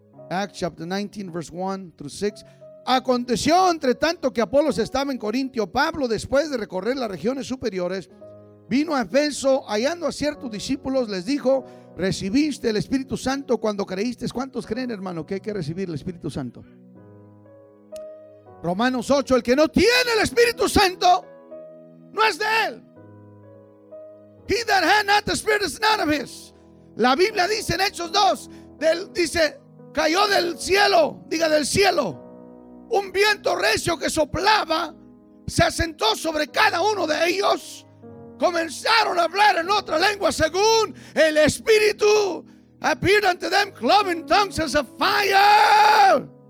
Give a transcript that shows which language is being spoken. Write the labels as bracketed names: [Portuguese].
[English] Acts chapter 19 verse 1 through 6. [Spanish] Aconteció entre tanto que Apolos estaba en Corintio, Pablo, después de recorrer las regiones superiores, vino a Efeso. Hallando a ciertos discípulos, les dijo: recibiste el Espíritu Santo cuando creíste. ¿Cuántos creen, hermano, que hay que recibir el Espíritu Santo? Romanos 8: el que no tiene el Espíritu Santo no es de él. [English] He that had not the Spirit is none of his. [Spanish] La Biblia dice en Hechos 2, dice, cayó del cielo, diga del cielo, un viento recio que soplaba, se asentó sobre cada uno de ellos, comenzaron a hablar en otra lengua según el Espíritu [English] appeared unto them, cloven tongues as a fire.